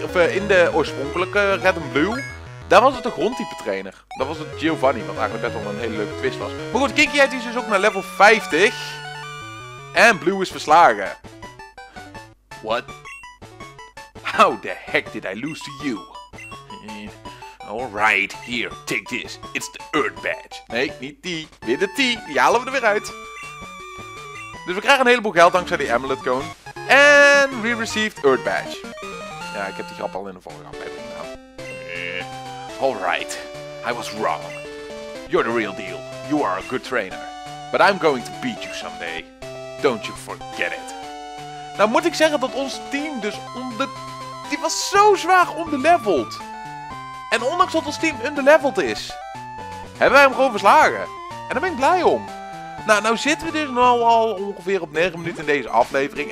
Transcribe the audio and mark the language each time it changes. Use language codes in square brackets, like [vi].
[nl] In de oorspronkelijke Red and Blue, daar was het een grondtype trainer. Dat was het Giovanni, wat eigenlijk best wel een hele leuke twist was. Maar goed, Kinkyhead is dus ook naar level 50. En Blue is verslagen. [en] What? How the heck did I lose to you? Alright, here, take this. It's the Earth Badge. [nl] Nee, niet die. Weer de T. Die halen we er weer uit. Dus we krijgen een heleboel geld dankzij die Amulet Cone. [en] And we received Earth Badge. [nl] Ja, ik heb die grap al in de vorige aflevering gedaan. [en] Alright, I was wrong. You're the real deal. You are a good trainer. But I'm going to beat you someday. Don't you forget it. [nl] Nou moet ik zeggen dat ons team dus onder... Die was zo zwaar onderleveld. En ondanks dat ons team underleveld is, hebben wij hem gewoon verslagen. En daar ben ik blij om. Nou zitten we dus nu al ongeveer op 9 minuten in deze aflevering.